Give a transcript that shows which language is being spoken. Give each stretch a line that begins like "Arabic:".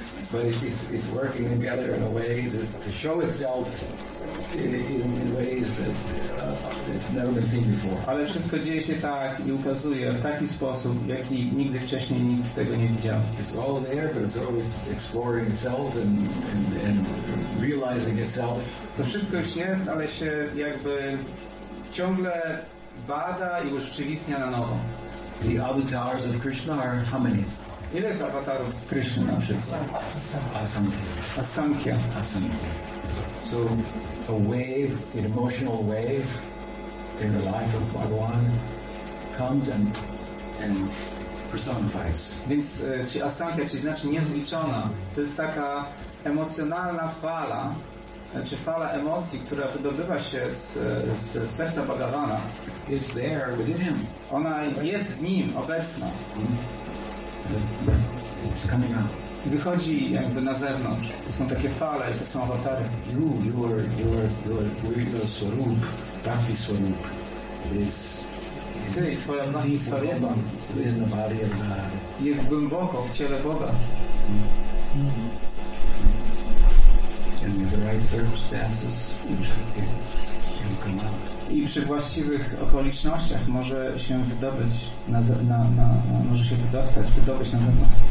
English: but it's working together in a way that to show itself in ways that it's never been seen before.
Polish: Ale wszystko dzieje się tak i ukazuje w taki sposób, jaki nigdy wcześniej nikt tego nie widział.
English: It's all there, but it's always exploring itself and realizing itself.
Polish: To wszystko już jest, ale się jakby ciągle bada i urzeczywistnia na nowo.
English: The avatars of Krishna are how many?
Polish: Ile jest awatarów Krishna na przykład?
Sanskrit: Asankhya.
English: So a wave, an emotional wave in the life of Bhagawan comes and personifies.
Polish: Więc czy asankhya, czy znaczy niezliczona, to jest taka emocjonalna fala, czy fala emocji, która wydobywa się z serca Bhagawana.
English: It's there within him.
Polish: Ona jest w nim, obecna.
English: It's coming out.
Polish: Wychodzi jakby na zewnątrz. To są takie fale, to są awatary.
English: Your swarup, bhakti swarup, is deep in the body.
Polish: Jest głęboko w ciele Boga.
English: And in the right circumstances, you come out.
Polish: I przy właściwych okolicznościach może się wydobyć na może się wydostać na zewnątrz.